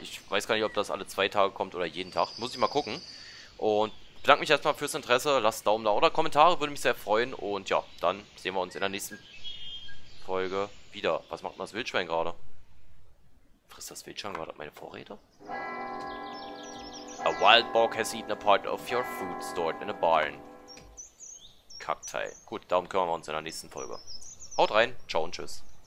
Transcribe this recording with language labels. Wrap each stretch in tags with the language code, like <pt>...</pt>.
<de>Ich weiß gar nicht, ob das alle 2 Tage kommt oder jeden Tag. Muss ich mal gucken. Und bedanke mich erstmal fürs Interesse. Lasst Daumen da oder Kommentare, würde mich sehr freuen. Und ja, dann sehen wir uns in der nächsten Folge wieder. Was macht denn das Wildschwein gerade? Frisst das Wildschwein gerade meine Vorräte?</de> <en>A wild boar has eaten a part of your food stored in a barn.</en> <de>Kackteil. Gut, darum kümmern wir uns in der nächsten Folge. Haut rein, ciao und tschüss.</de>